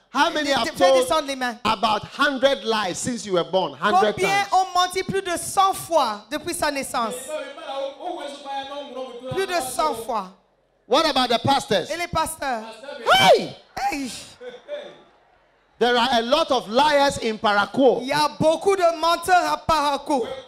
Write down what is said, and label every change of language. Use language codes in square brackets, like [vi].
[en] How many have told about 100 lies since you were born? 100 times. [fr] Combien ont menti plus de 100 fois depuis sa naissance? Plus de 100 fois. [en] What about the pastors? [fr] Et les pasteurs? Hey! [en] There are a lot of liars in Parakou. [fr] Il y a beaucoup de menteurs à Parakou.